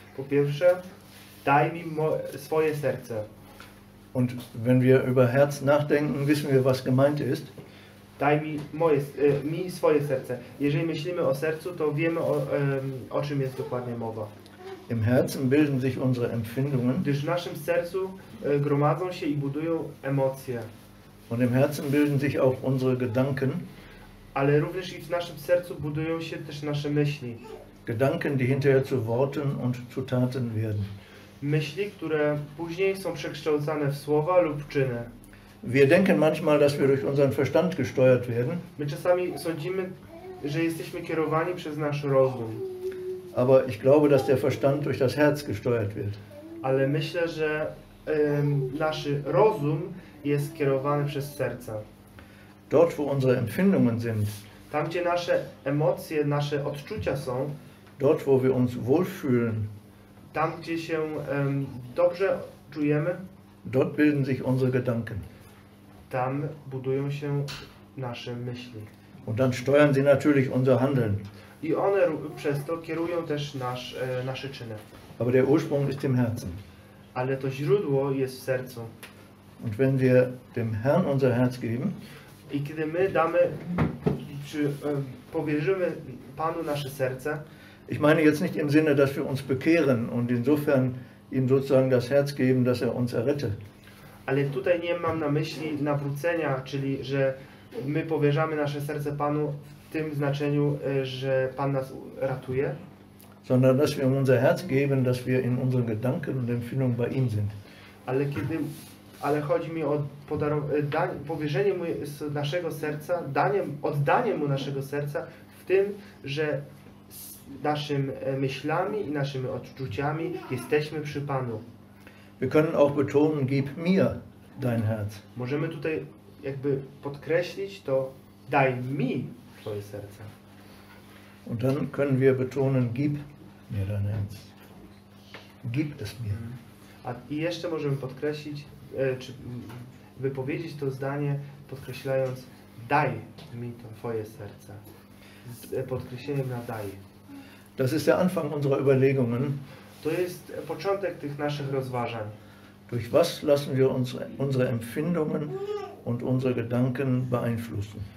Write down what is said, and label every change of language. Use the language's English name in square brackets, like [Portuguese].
[Polish] Po pierwsze, daj mi swoje serce. [German] Und wenn wir über Herz nachdenken, wissen wir, was gemeint ist. [Polish] Daj mi moje, mi swoje serce. Jeżeli myślimy o sercu, to wiemy o czym jest dokładnie mowa. [German] Im Herzen bilden sich unsere Empfindungen. [Polish] Gdyż w naszym sercu gromadzą się i budują emocje. [German] Und im Herzen bilden sich auch unsere Gedanken. [Polish] Ale również i w naszym sercu budują się też nasze myśli. [German] Gedanken, die hinterher zu Worten und zu Taten werden. [Polish] Myśli, które później są przekształcane w słowa lub czyny. [German] Wir denken manchmal, dass wir durch unseren Verstand gesteuert werden. [Polish] My czasami sądzimy, że jesteśmy kierowani przez nasz rozum. [German] Aber ich glaube, dass der Verstand durch das Herz gesteuert wird. [Polish] Ale myślę, że nasz rozum jest kierowany przez serce. [German] Dort, wo unsere Empfindungen sind. [Polish] Tam, gdzie nasze emocje, nasze odczucia są. [German] Dort, wo wir uns wohlfühlen. [Polish] Tam, gdzie się dobrze czujemy. [German] Dort bilden sich unsere Gedanken. [Polish] Tam budują się nasze myśli. [German] Und dann steuern sie natürlich unser Handeln. [Polish] I one przez to kierują też nasze czyny. [German] Aber der Ursprung ist im Herzen. [Polish] Ale to źródło jest w sercu. [German] Und wenn wir dem Herrn unser Herz geben. [Polish] I kiedy my damy, czy powierzymy Panu nasze serce. [German] Ich meine jetzt nicht im Sinne, dass wir uns bekehren und insofern ihm sozusagen das Herz geben, dass er uns errette. [Polish] Ale tutaj nie mam na myśli nawrócenia, czyli że my powierzamy nasze serce Panu w tym znaczeniu, że Pan nas ratuje. [German] Sondern dass wir ihm unser Herz geben, dass wir in unseren Gedanken und Empfindungen bei ihm sind. [Polish] Ale chodzi mi o powierzenie mu naszego serca, oddanie mu naszego serca w tym, że z naszymi myślami i naszymi odczuciami jesteśmy przy Panu. [German] Wir können auch betonen, gib mir dein Herz. [Polish] Możemy tutaj jakby podkreślić to, daj mi twoje serce. [German] Und dann können wir betonen, gib mir dein Herz. Gib es mir. [Polish] A i jeszcze możemy podkreślić, czy wypowiedzieć to zdanie, podkreślając, daj mi to twoje serce. Z podkreśleniem na daj. [German] Das ist der Anfang unserer Überlegungen. [Polish] To jest początek tych naszych rozważań. [German] Durch was lassen wir unsere Empfindungen und unsere Gedanken beeinflussen?